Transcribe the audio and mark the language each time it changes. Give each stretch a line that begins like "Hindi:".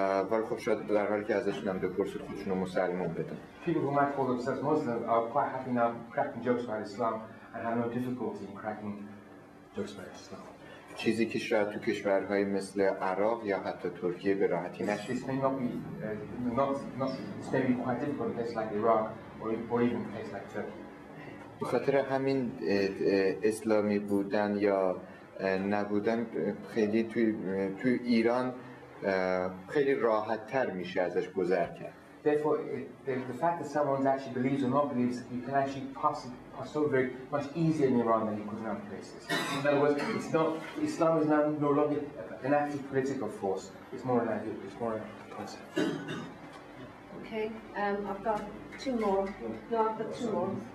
Persian: ولی خب شاید در حالی که ازشون هم بپرسید خودشون رو مسلمون بدن.
English: People who might call themselves Muslim are quite happy now cracking jokes about Islam and have no difficulty in cracking jokes about Islam.
Persian: چیزی که شاید تو کشورهای مثل عراق یا حتی ترکیه به راحتی نشه.
English: It's maybe quite difficult in places like Iraq or even places like Turkey.
Persian: به خاطر همین اسلامی بودن یا نبودن خیلی تو ایران خیلی راحت تر میشه ازش گذر کرد.
English: Therefore, the fact that someone actually believes or not believes, you can actually pass it. Are so very much easier in Iran than it could in other places. In other words, it's not Islam is now no longer an active political force. It's more an idea. It's more a concept. Okay, I've got two more. No, I've got two more.